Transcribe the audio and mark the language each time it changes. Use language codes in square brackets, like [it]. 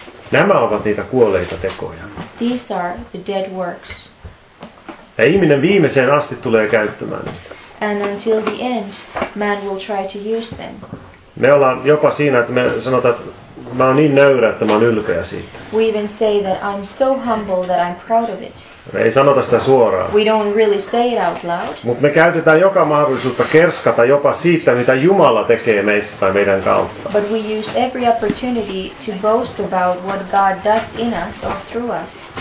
[fi] Nämä ovat niitä kuolleita tekoja. [en] These are the dead works. [fi] Ja ihminen viimeiseen asti tulee käyttämään niitä. [en] And until the end, man will try to use them. [fi] Me ollaan jopa siinä, että me sanotaan, että mä oon niin nöyrä, että mä oon ylpeä siitä. [en] We even say that I'm so humble that I'm proud of it. [fi] Me ei sanota sitä suoraan. [en] We don't really say it out loud. [fi] Mut me käytetään joka mahdollisuutta kerskata jopa siitä, mitä Jumala tekee meistä tai meidän kautta. [en] But we use every opportunity to boast about what God does in us or through us.